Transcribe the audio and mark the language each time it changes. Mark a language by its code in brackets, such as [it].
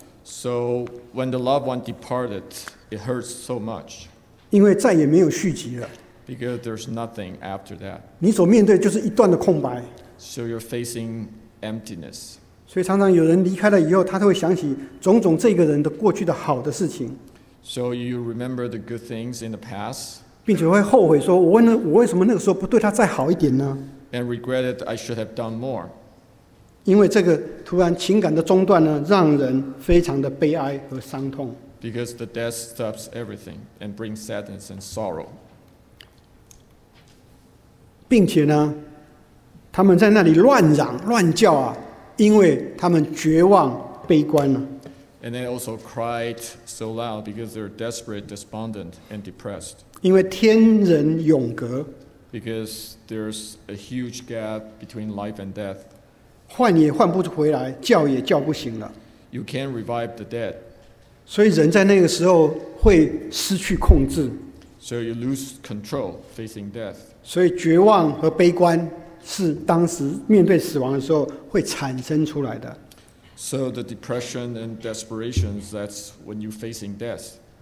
[en] So when the loved one departed, it hurts so much. [zh] 因为再也没有续集了。 [en] Because there's nothing after that. [zh] 你所面对就是一段的空白。 [en] So you're facing emptiness. [zh] 所以常常有人离开了以后，他都会想起种种这个人的过去的好的事情。 [en] So you remember the good things in the past. [zh] 并且会后悔说，我为什么那个时候不对他再好一点呢？ [en] And regretted I should have done more. [zh] 因为这个突然情感的中断呢，让人非常的悲哀和伤痛。 [en] Because the death stops everything and brings sadness and sorrow. [zh] 并且呢，他们在那里乱嚷乱叫啊，因为他们绝望悲观了。 [en] And they also cried so loud because they're desperate, despondent, and depressed. [zh] 因为天人永隔。 [en] Because there's a huge gap between life and death. [zh] 唤也唤不回来，叫也叫不醒了。 [en] You can't revive the dead. [zh] 所以人在那个时候会失去控制。 [en] So you lose control facing death. [zh] 所以绝望和悲观是当时面对死亡的时候会产生出来的。 [en] So the depression and desperation that's when you're facing death.